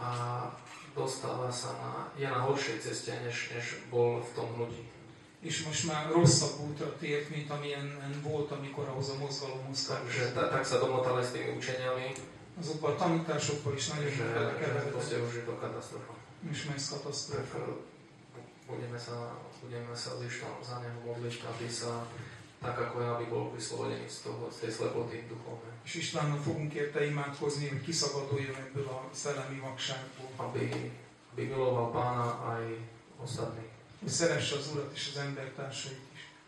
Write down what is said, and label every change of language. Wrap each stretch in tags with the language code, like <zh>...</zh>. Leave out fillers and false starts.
<sk>A dostáva sa na horšej ceste, než bol v tom hnutí.</sk> <hu>És most már rosszabb útra tért, mint amilyen volt, amikor ahhoz a mozgalomhoz kapcsolódott.</hu> <sk>Tak sa domotal s tými učeniami.</sk> <hu>Azokkal a tanításokkal is nagyon belekeveredett.</hu> <sk>Proste už je to katastrofa.</sk> <hu>És meg ez katasztrofa.</hu> <sk>Budeme sa zištom za neho modliť, aby sa tak ako ja by bol vyslobodený z tej slepoty duchovné.</sk> <hu>És Istvánnal fogunk érte imádkozni, hogy kiszabaduljon ebből a szellemi vakságból.</hu> <sk>Aby miloval Pána aj ostatní.</sk> <hu>Hogy szeresse az Urat és az embertársait is.</hu>